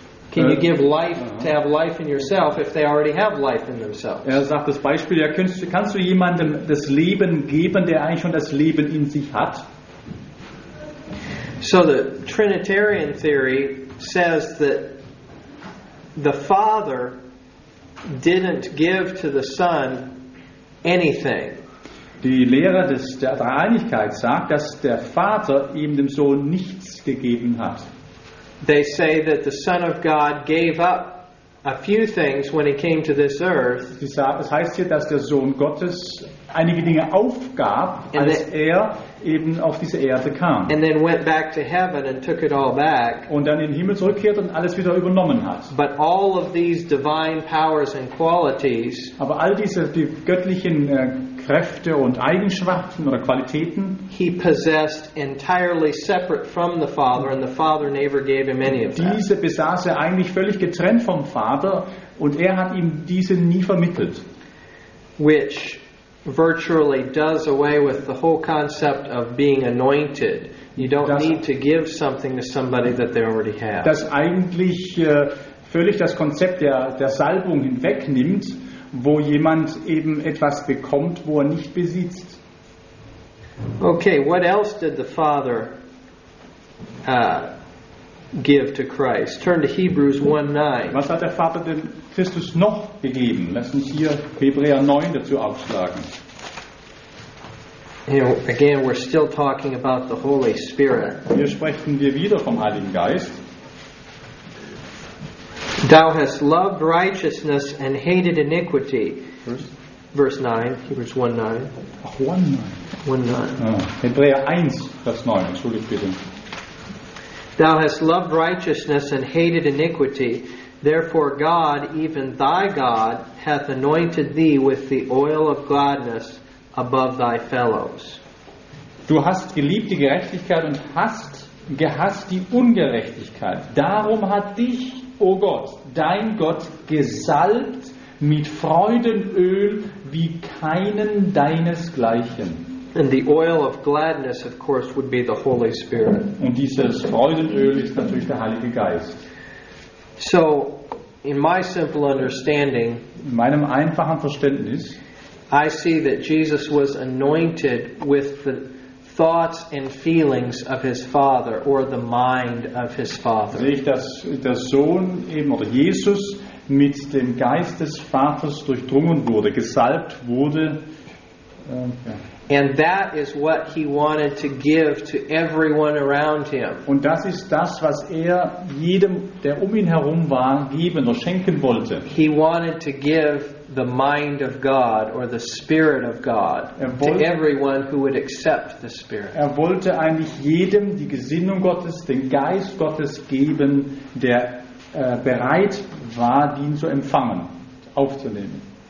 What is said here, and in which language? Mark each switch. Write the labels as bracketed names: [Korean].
[English] Can you give life to have life in yourself if they already have life in themselves? [German] Sagt das Beispiel, kannst du jemandem das Leben geben, der eigentlich schon das Leben in sich hat? [English] So the Trinitarian theory says that the Father didn't give to the Son anything. [German] Die Lehre der Dreieinigkeit sagt, dass der Vater ihm dem Sohn nichts gegeben hat. [English] They say that the Son of God gave up a few things when he came to this earth. [German] Das heißt hier, dass der Sohn Gottes einige Dinge aufgab, als eben auf diese Erde kam. [English] And then went back to heaven and took it all back. [German] Und dann in den Himmel zurückkehrt und alles wieder übernommen hat. [English] But all of these divine powers and qualities, [German] aber all diese die göttlichen Kräfte und Eigenschaften oder Qualitäten, [English] he possessed entirely separate from the Father, and the Father never gave him any of that. [German] Diese besaß eigentlich völlig getrennt vom Vater und hat ihm diese nie vermittelt. [English] Which virtually does away with the whole concept of being anointed. You don't need to give something to somebody that they already have. [German] Das eigentlich völlig das Konzept der Salbung hinwegnimmt, wo jemand eben etwas bekommt, wo nicht besitzt. [English] Okay, what else did the Father give to Christ? Turn to Hebrews 1:9. [German] Was hat der Vater denn Christus noch gegeben? Lass uns hier Hebräer 9 dazu aufschlagen. [English] You know, again, we're still talking about the Holy Spirit. [German] Hier sprechen wir wieder vom Heiligen Geist. [English] Thou hast loved righteousness and hated iniquity. [German] Hebräer 1, Vers 9. [English] Thou hast loved righteousness and hated iniquity. Therefore God, even thy God, hath anointed thee with the oil of gladness above thy fellows. [German] Du hast geliebt die Gerechtigkeit und hast gehasst die Ungerechtigkeit. Darum hat dich, O Gott, dein Gott, gesalbt mit Freudenöl wie keinen deinesgleichen. [English] And the oil of gladness, of course, would be the Holy Spirit. [German] Und dieses Freudenöl ist natürlich der Heilige Geist. [English] So, in my simple understanding, [German] in meinem einfachen Verständnis, [English] I see that Jesus was anointed with the thoughts and feelings of his Father, or the mind of his Father. [German] Sehe ich, dass der Sohn eben, oder Jesus, mit dem Geist des Vaters durchdrungen wurde, gesalbt wurde. [English] And that is what he wanted to give to everyone around him. [German] Und das ist das, was jedem, der ihn herum war, geben oder schenken wollte. [English] He wanted to give the mind of God or the Spirit of God to everyone who would accept the Spirit. [German] Wollte eigentlich jedem die Gesinnung Gottes, den Geist Gottes geben, der bereit war, ihn zu empfangen, aufzunehmen.